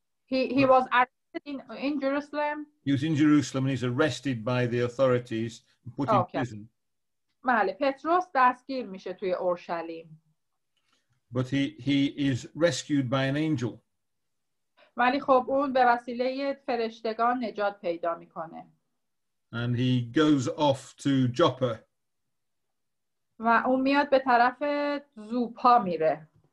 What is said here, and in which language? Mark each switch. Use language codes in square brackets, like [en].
[en] He was arrested in Jerusalem. He was in Jerusalem and he's arrested by the authorities and put in prison. [fa] بله پتروس دستگیر میشه توی اورشلیم. [en] But he is rescued by an angel. [fa] ولی خب اون به وسیله فرشتگان نجات پیدا میکنه. [en] And he goes off to Joppa. [fa] و اون میاد به طرف زوپا میره.